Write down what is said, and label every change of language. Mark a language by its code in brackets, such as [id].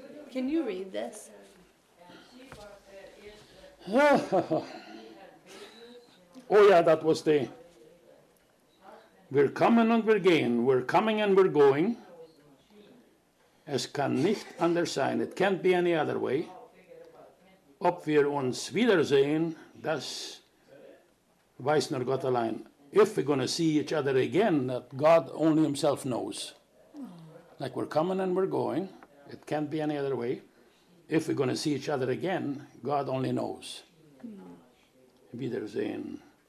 [en] Can you read this? Oh yeah, that was the... We're coming and we're going. We're coming and we're going. [de] Es kann nicht anders sein. [en] It can't be any other way. [de] Ob wir uns wiedersehen, das weiß nur Gott allein. [en] If we're going to see each other again, that God only himself knows. Like we're coming and we're going. It can't be any other way. If we're going to see each other again, God only knows. Wiedersehen.